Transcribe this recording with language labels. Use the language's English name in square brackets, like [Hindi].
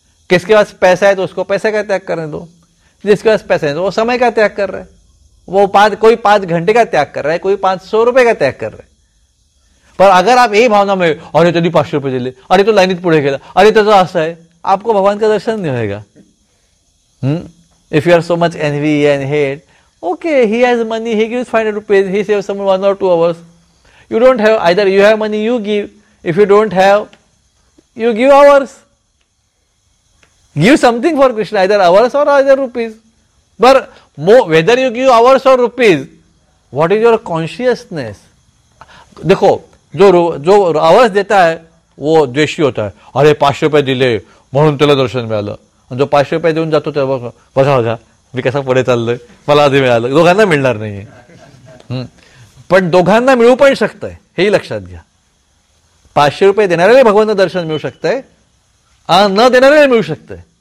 [Hindi] किसके पास पैसा है तो उसको पैसे का त्याग करने दो, जिसके पास पैसा है तो वो समय का त्याग कर रहा है, वो कोई 5 घंटे का त्याग कर रहा है, कोई 500 रुपये का त्याग कर रहा है. पर अगर आप यही भावना में अरे तो 500 रुपये दे ले, [Marathi] अरे तो लाइनित पुढ़े गेला, अरे तो असं आहे, [Hindi] आपको भगवान का दर्शन नहीं होएगा. [English] If you are so much envy and hate, okay he has money he gives 500 rupees, he saves someone 1 or 2 hours. You don't have either, you have money you give, if you don't have you give hours, give something for Krishna either hours or either rupees. But whether you give hours or rupees, what is your consciousness. [Hindi] देखो जो hours देता है वो द्वेषी होता है, [Marathi] अरे 500 रुपये दिले म्हणून त्याला दर्शन मिळालं, जो 500 रुपये देऊन जातो त्या बघा बघा मी कसा पुढे चाललोय, मला आधी मिळालं, दोघांना मिळणार नाही. पण दोघांना मिळू पण शकतंय हेही लक्षात घ्या. 500 रुपये देणाऱ्याला भगवंत दर्शन मिळू शकतंय, न देणाऱ्याला मिळू शकतंय.